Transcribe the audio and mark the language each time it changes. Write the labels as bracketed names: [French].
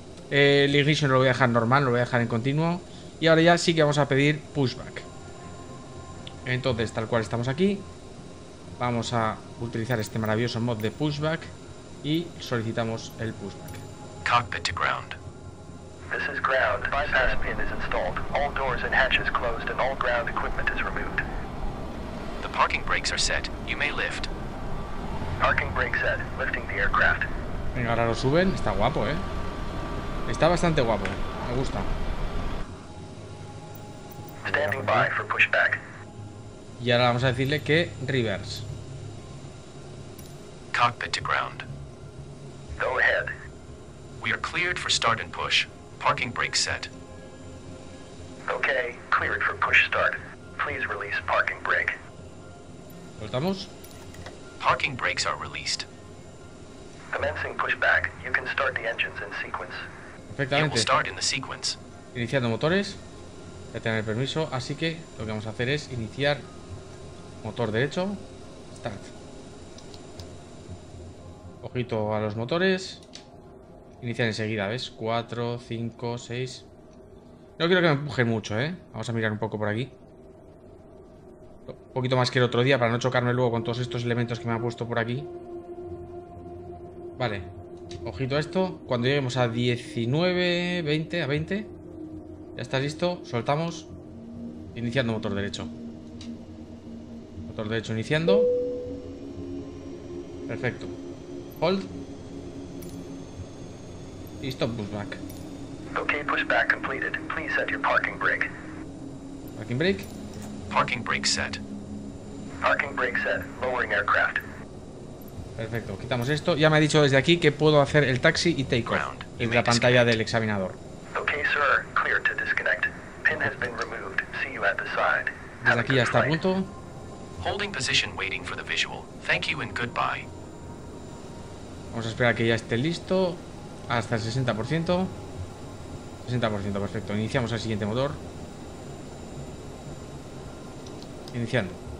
[Spanish] El ignition lo voy a dejar normal, lo voy a dejar en continuo. Y ahora ya sí que vamos a pedir pushback. Entonces, tal cual estamos aquí, vamos a utilizar este maravilloso mod de pushback y solicitamos el pushback. [English] Cockpit to ground. This is ground. Bypass pin is installed. All doors and hatches closed and all ground equipment is removed. Parking brakes are set. You may lift. Parking brakes set. Lifting the aircraft. [Spanish] Venga, ahora lo suben. Está guapo, ¿eh? Está bastante guapo. Me gusta. [English] Standing by for pushback. [Spanish] Y ahora vamos a decirle que reverse. [English] Cockpit to ground. Go ahead. We are cleared for start and push. Parking brakes set. Okay, cleared for push start. Please release parking brake. [Spanish] ¿Soltamos? [English] Parking brakes are released. Commencing pushback. You can start the engines in sequence. Perfectamente. It will start in the sequence. [Spanish] Iniciando motores. Ya tengo el permiso, así que lo que vamos a hacer es iniciar motor derecho. [English] Start. [Spanish] Ojito a los motores. Iniciar enseguida, ¿ves? 4, 5, 6. No quiero que me empuje mucho, ¿eh? Vamos a mirar un poco por aquí. Un poquito más que el otro día para no chocarme luego con todos estos elementos que me han puesto por aquí. Vale, ojito a esto. Cuando lleguemos a 19, 20, a 20, ya está listo. Soltamos. Iniciando motor derecho. Motor derecho iniciando. Perfecto. Hold. [English] Y stop pushback. Ok, pushback completed. Please set your parking brake. Parking brake. Parking brake set. Parking brake set, lowering aircraft. [Spanish] Perfecto, quitamos esto. Ya me ha dicho desde aquí que puedo hacer el taxi y take off en la pantalla del examinador. [English] Okay, sir, clear to disconnect. Pin has been removed. See you at the side. [Spanish] Desde aquí ya está a punto. [English] Holding position, waiting for the visual. Thank you and goodbye. [Spanish] Vamos a esperar a que ya esté listo. Hasta el 60%. 60%, perfecto. Iniciamos el siguiente motor. Iniciando.